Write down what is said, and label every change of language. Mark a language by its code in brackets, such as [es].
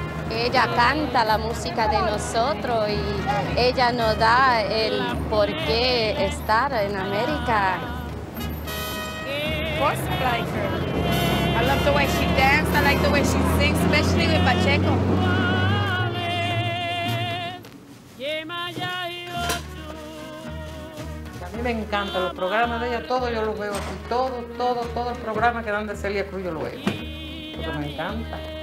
[es] Ella canta la música de nosotros y ella nos da el por qué estar en América. [en] Of course I like her. I love the way she dances, I like the way she sings, especially with Pacheco. [es] A mí me encantan los programas de ella, todos yo los veo así, todo el programa que dan de Celia Cruz yo lo veo, porque me encanta.